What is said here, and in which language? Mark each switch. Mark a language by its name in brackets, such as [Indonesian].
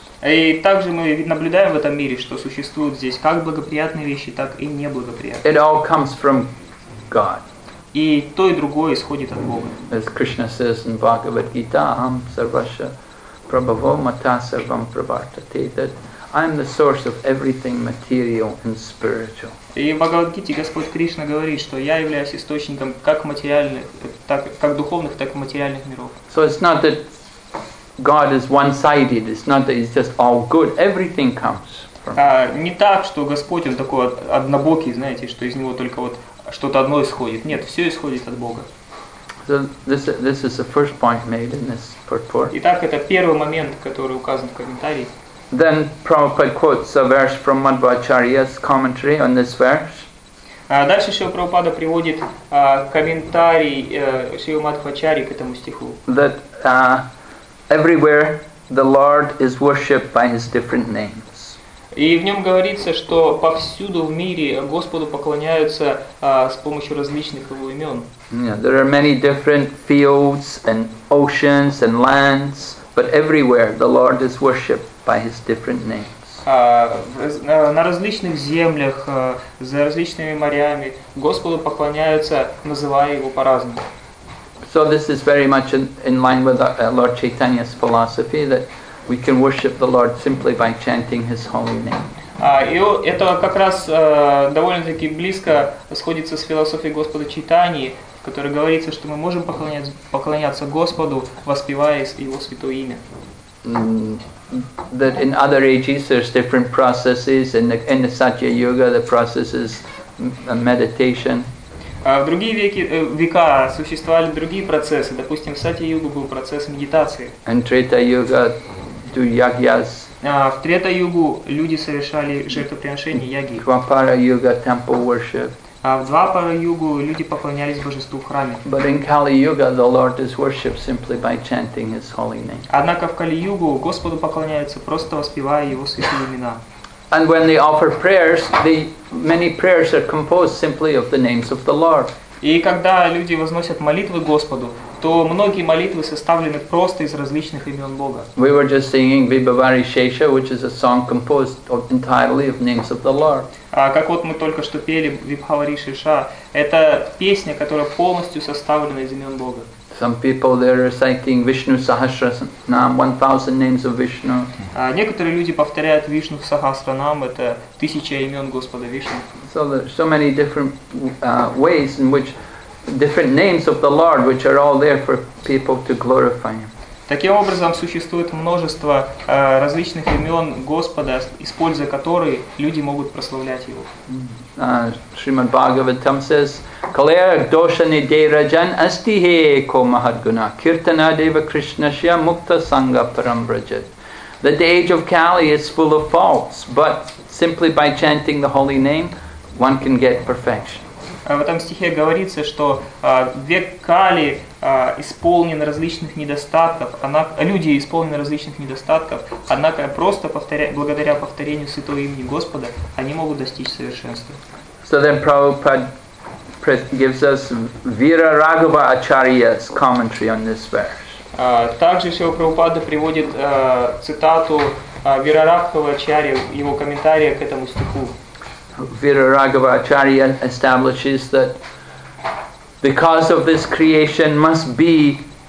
[Russian] И также мы наблюдаем в этом мире, что существуют здесь как благоприятные вещи, так и неблагоприятные. [English] It all comes from God. [Russian] И то и другое исходит от Бога. [English] As Krishna says in Bhagavad Gita, [Sanskrit] Aham Sarvasya Prabhavo Mata Sarvam Pravartate, [English] that I am the source of everything material and spiritual. [Russian] И в Бхагавад Гите Господь Кришна говорит, что я являюсь источником как материальных, так как духовных, так и материальных миров. [English] So it's not that God is one-sided. It's not that he's just all good. Everything comes from. [Russian] Не так, что Господь он такой однобокий, знаете, что из него только вот что-то одно исходит. Нет, все исходит от Бога. [English] So this is the first point made in this purport. [Russian] Итак, это первый момент, который указан в комментарии. [English] Then Prabhupada quotes a verse from Madhvacharya's commentary on this verse. [Russian] Дальше Шрила Прабхупада приводит комментарий Шрила Мадхвачарьи к этому стиху. [English] That everywhere the Lord is worshipped by his different names. [Russian] И в нем говорится, что повсюду в мире Господу поклоняются с помощью различных его имен. [English] Yeah, there are many different fields and oceans and lands, but everywhere the Lord is worshipped by his different names. [Russian] На различных землях, за различными морями Господу поклоняются, называя его по-разному. [English] So this is very much in line with Lord Chaitanya's philosophy that we can worship the Lord simply by chanting his holy name. [Russian] И это как раз довольно-таки близко сходится с философией Господа Чайтаньи, в которой говорится, что мы можем поклоняться Господу, воспевая его святое имя. [English] That in other ages there's different processes, in the Satya Yuga the process is meditation. [Russian] В другие века существовали другие процессы. Допустим, в Сатья-йогу был процесс медитации. [English] And Treta-йога do yagyas. [Russian] В Трета-йогу люди совершали жертвоприношения, яги. [English] Двапара-йога temple worship. [Russian] В Двапара-йогу люди поклонялись божеству в храме. [English] But in Kali-йога the Lord is worshipped simply by chanting his holy name. [Russian] Однако в Кали-йогу Господу поклоняются, просто воспевая его святые имена. [English] And when they offer prayers, many prayers are composed simply of the names of the Lord. [Russian] И когда люди возносят молитвы Господу, то многие молитвы составлены просто из различных имен Бога. [English] We were just singing Vibhavari Shesha, which is a song composed entirely of names of the Lord. [Russian] А как вот мы только что пели Vibhavari Shesha, это песня, которая полностью составлена из имен Бога. [English] Some people they're reciting Vishnu Sahasranam, 1,000 names of Vishnu. [Russian] Некоторые люди повторяют Вишну Сахасранам, это тысяча имен Господа Вишну. [English] So there's so many different ways in which different names of the Lord, which are all there for people to glorify Him. [Russian] Таким образом существует множество различных имен Господа, используя которые люди могут прославлять Его. [Sanskrit] Shrimad Bhagavatam says, Kalaya dosha nidairajan astihe ko mahadguna kirtana deva krishnasya mukta sangha parambrajat. [English] That the age of Kali is full of faults, but simply by chanting the holy name, one can get perfection. [Russian] В этом стихе говорится, что век Кали исполнен различных недостатков, люди исполнены различных недостатков, однако просто благодаря повторению святого имени Господа они могут достичь совершенства. [English] So then Prabhupada gives us Vira Raghava Acharya's commentary on this verse. [Russian] Также Шрила Прабхупада приводит цитату Вира Раghava Acharya, его комментария к этому стиху. [English] Vira Raghava Acharya establishes that the cause of this creation must be